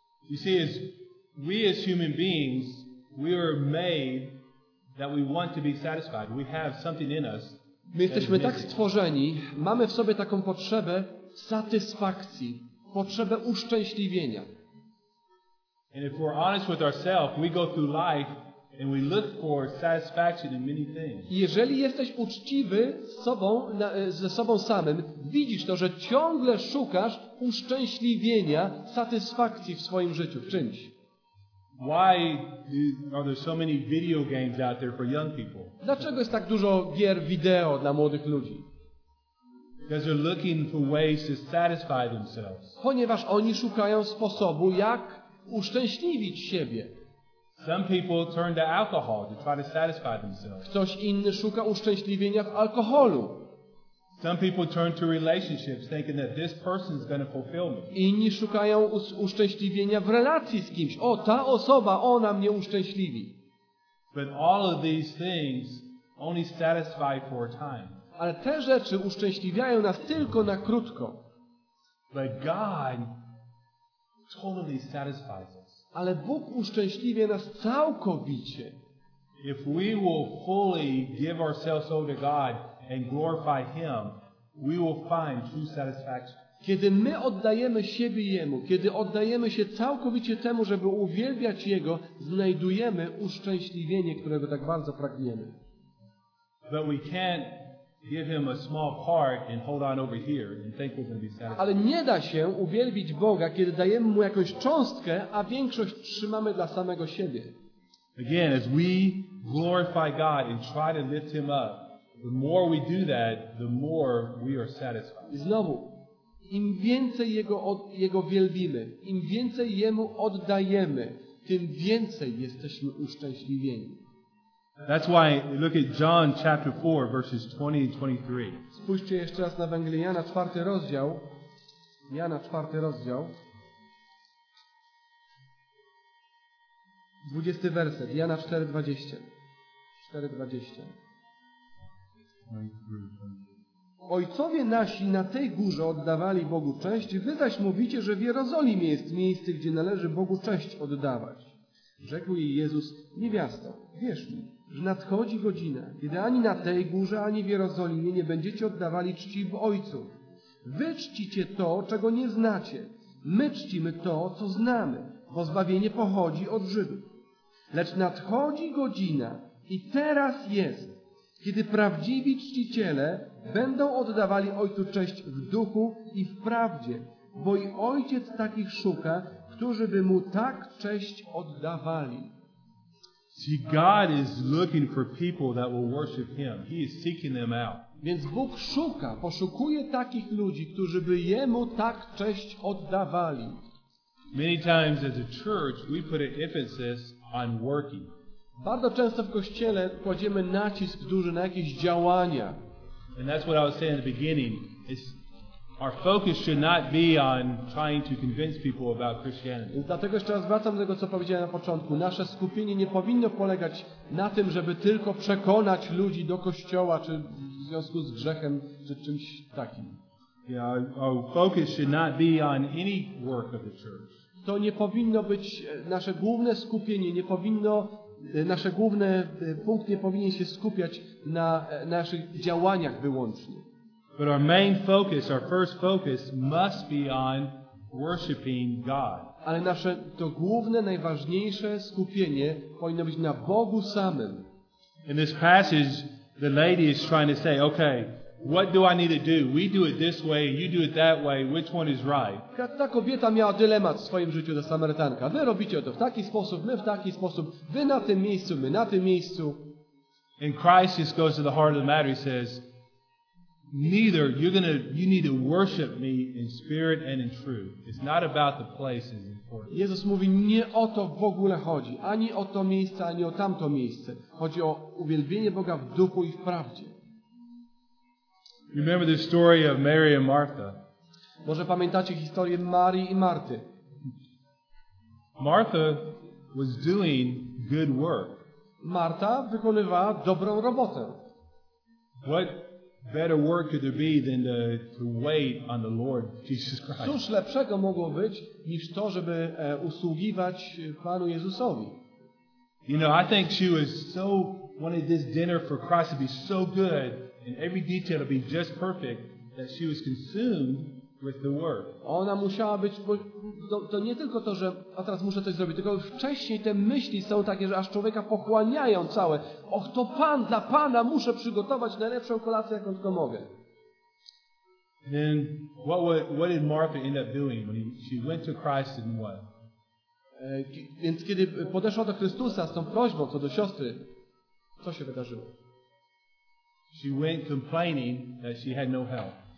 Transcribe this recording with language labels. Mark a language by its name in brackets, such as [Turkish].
[English] You see, as human beings, we are made that we want to be satisfied. We have something in us. [Polish] My jesteśmy tak stworzeni, mamy w sobie taką potrzebę satysfakcji, potrzebę uszczęśliwienia. [English] And if we're honest with ourselves, we go through life and we look for satisfaction in many things. [Polish] Jeżeli jesteś uczciwy ze sobą samym, widzisz to, że ciągle szukasz uszczęśliwienia, satysfakcji w swoim życiu, w czymś. [English] Why are there so many video games out there for young people? [Polish] Dlaczego jest tak dużo gier wideo dla młodych ludzi? [English] Because they're looking for ways to satisfy themselves. [Polish] Ponieważ oni szukają sposobu, jak uszczęśliwić siebie. [English] Some people turn to alcohol to try to satisfy themselves. [Polish] Ktoś inny szuka uszczęśliwienia w alkoholu. [English] Some people turn to relationships thinking that this person is going to fulfill me. [Polish] Inni szukają uszczęśliwienia w relacji z kimś. O, ta osoba, ona mnie uszczęśliwi. [English] But all of these things only satisfy for a time. [Polish] Ale te rzeczy uszczęśliwiają nas tylko na krótko. [English] But God totally satisfies us. [Polish] Ale Bóg uszczęśliwia nas całkowicie. [English] If we will fully give ourselves over to God and glorify Him, we will find true satisfaction. [Polish] Kiedy my oddajemy siebie Jemu, kiedy oddajemy się całkowicie temu, żeby uwielbiać Jego, znajdujemy uszczęśliwienie, którego tak bardzo pragniemy. [English] But we can't give Him a small part and hold on over here and think we're going to be satisfied. [Polish] Ale nie da się uwielbić Boga, kiedy dajemy Mu jakąś cząstkę, a większość trzymamy dla samego siebie. [English] Again, as we glorify God and try to lift Him up, the more we do that, the more we are satisfied. [Polish] I znowu, im więcej Jego wielbimy, im więcej Jemu oddajemy, tym więcej jesteśmy uszczęśliwieni. [English] That's why look at John chapter 4 verses 20 and 23. [Polish] Spójrzcie jeszcze raz na Ewangelię Jana, czwarty rozdział. Jana, czwarty rozdział. 20 werset. Jana 4:20. 4:20. Ojcowie nasi na tej górze oddawali Bogu cześć, wy zaś mówicie, że w Jerozolimie jest miejsce, gdzie należy Bogu cześć oddawać. Rzekł jej Jezus: niewiasto, wierz mi, że nadchodzi godzina, kiedy ani na tej górze, ani w Jerozolimie nie będziecie oddawali czci w Ojcu. Wy czcicie to, czego nie znacie. My czcimy to, co znamy, bo zbawienie pochodzi od Żydów. Lecz nadchodzi godzina i teraz jest, kiedy prawdziwi czciciele będą oddawali Ojcu cześć w duchu i w prawdzie, bo i Ojciec takich szuka, którzy by Mu tak cześć oddawali. [English] See, God is looking for people that will worship Him. He is seeking them out. [Polish] Więc Bóg poszukuje takich ludzi, którzy by Jemu tak cześć oddawali. [English] Many times as a church, we put an emphasis on working. [Polish] Bardzo często w Kościele kładziemy nacisk duży na jakieś działania. [English] And that's what I was saying in the beginning. Our focus should not be on trying to convince people about Christianity. [Polish] Dlatego jeszcze raz wracam do tego, co powiedziałem na początku. Nasze skupienie nie powinno polegać na tym, żeby tylko przekonać ludzi do Kościoła, czy w związku z grzechem, czy czymś takim. [English] Our focus should not be on any work of the church. [Polish] To nie powinno być nasze główne skupienie, nie powinno nasze główne punkt nie powinien się skupiać na naszych działaniach wyłącznie. [English] But our main focus, our first focus must be on worshiping God. [Polish] Ale nasze to główne, najważniejsze skupienie powinno być na Bogu samym. [English] In this passage, the lady is trying to say, okay, What do I need to do? We do it this way, you do it that way. Which one is right? [Polish] Ta kobieta miała dylemat w swoim życiu, ta Samarytanka. Wy robicie to w taki sposób, my w taki sposób. Wy na tym miejscu, my na tym miejscu. [English] And Christ just goes to the heart of the matter. He says, neither. You need to worship me in spirit and in truth. It's not about the place is important. [Polish] Jezus mówi, nie o to w ogóle chodzi. Ani o to miejsce, ani o tamto miejsce. Chodzi o uwielbienie Boga w duchu i w prawdzie. [English] Remember the story of Mary and Martha. [Polish] Może pamiętacie historię Marii i Marty? [English] Martha was doing good work. [Polish] Marta wykonywała dobrą robotę. [English] What better work could there be than to wait on the Lord Jesus Christ? [Polish] Cóż lepszego mogło być niż to, żeby usługiwać Panu Jezusowi? [English] You know, I think she was so wanted this dinner for Christ to be so good. And every detail would be just perfect that she was consumed with the work. [Polish] Ona musiała być, to nie tylko to, że a teraz muszę coś zrobić, tylko wcześniej te myśli są takie, że aż człowieka pochłaniają całe. Och, to Pan, dla Pana muszę przygotować najlepszą kolację, jaką tylko mogę. [English] Then what did Martha end up doing when she went to Christ and what? [Polish] Więc kiedy podeszła do Chrystusa z tą prośbą co do siostry, co się wydarzyło? [English] She went complaining that she had no help.